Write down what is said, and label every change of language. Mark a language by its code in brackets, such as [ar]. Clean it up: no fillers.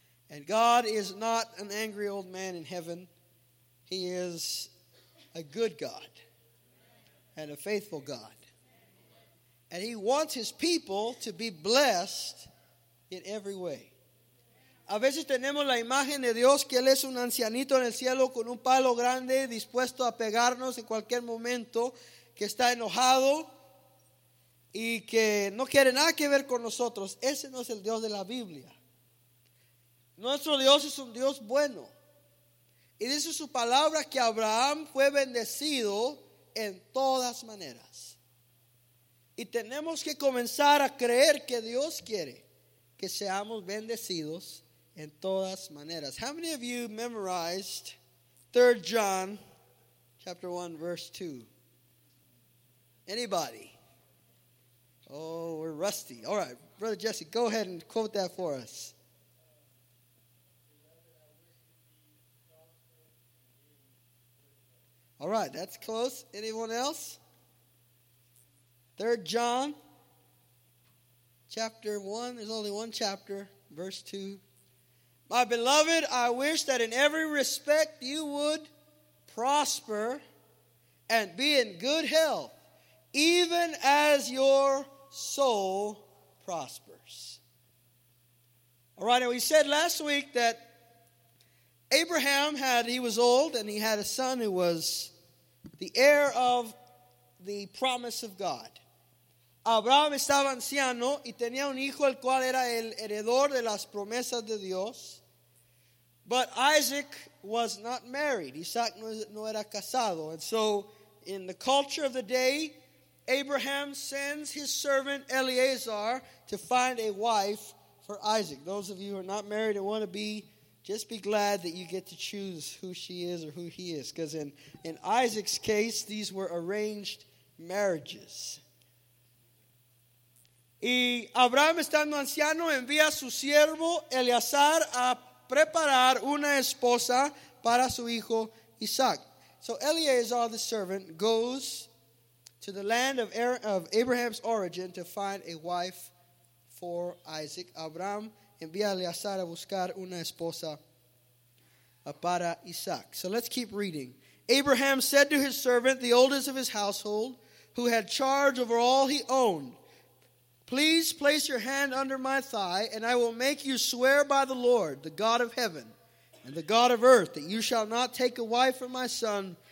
[en] And God is not an angry old man in heaven. He is a good God and a faithful God. And he wants his people to be blessed in every way. [es] A veces tenemos la imagen de Dios que Él es un ancianito en el cielo con un palo grande dispuesto a pegarnos en cualquier momento, que está enojado y que no quiere nada que ver con nosotros. Ese no es el Dios de la Biblia. Nuestro Dios es un Dios bueno. Y dice su palabra que Abraham fue bendecido en todas maneras. Y tenemos que comenzar a creer que Dios quiere que seamos bendecidos en todas maneras. [en] How many of you memorized 3 John chapter 1, verse 2? Anybody? Oh, we're rusty. All right, Brother Jesse, go ahead and quote that for us. All right, that's close. Anyone else? 3 John chapter 1, there's only one chapter, verse 2. "My beloved, I wish that in every respect you would prosper and be in good health, even as your soul prospers." All right, and we said last week that Abraham had, he was old, and he had a son who was the heir of the promise of God. [es] Abraham estaba anciano y tenía un hijo el cual era el heredor de las promesas de Dios. [en] But Isaac was not married. [es] Isaac no era casado. [en] And so in the culture of the day, Abraham sends his servant Eliezer to find a wife for Isaac. Those of you who are not married and want to be, just be glad that you get to choose who she is or who he is. Because in Isaac's case, these were arranged marriages. [es] Y Abraham estando anciano envía su siervo Eliezer a preparar una esposa para su hijo Isaac. [en] So Eliezer, the servant, goes to the land of Abraham's origin to find a wife for Isaac. [es] Abraham envía a Eliezer a buscar una esposa para Isaac. [en] So let's keep reading. "Abraham said to his servant, the oldest of his household, who had charge over all he owned, 'Please place your hand under my thigh, and I will make you swear by the Lord, the God of heaven and the God of earth, that you shall not take a wife for my son